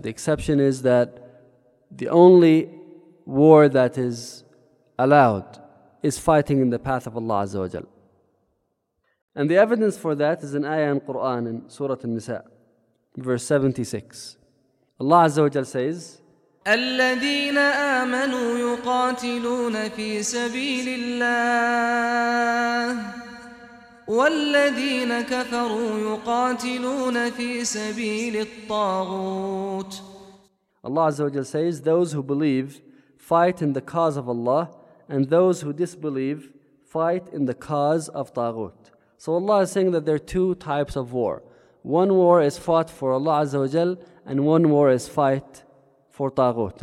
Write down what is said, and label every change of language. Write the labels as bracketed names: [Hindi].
[English] The exception is that the only war that is allowed is fighting in the path of Allah Azza wa Jal. And the evidence for that is an ayah in Quran in Surah An-Nisa, verse 76. Allah Azza wa Jal says, [Arabic] الَّذِينَ آمَنُوا يُقَاتِلُونَ فِي سَبِيلِ اللَّهِ والذين كفروا يقاتلون في سبيل الطاغوت. [English] Allah Azza wa Jalla says, those who believe fight in the cause of Allah, and those who disbelieve fight in the cause of Taghut. So Allah is saying that there are two types of war. One war is fought for Allah Azza wa Jalla, and one war is fight for Taghut.